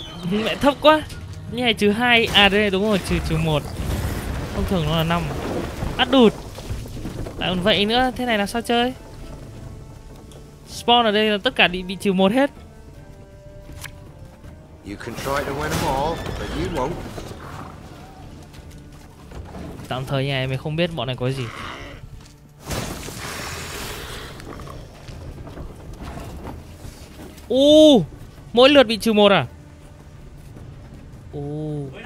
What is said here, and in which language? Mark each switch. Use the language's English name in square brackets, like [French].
[Vietnamese] Mẹ thấp quá. Như này trừ 2. À đây đúng rồi, trừ 1. Thông thường nó là 5. Át đụt. Lại còn vậy nữa, thế này là sao chơi? Spawn ở đây là tất cả bị trừ 1 hết. [English] You can try to win them all, but you won't. [Vietnamese] Tạm thời nhà em không biết bọn này có gì. Ô, mỗi lượt bị trừ 1 à? Ô.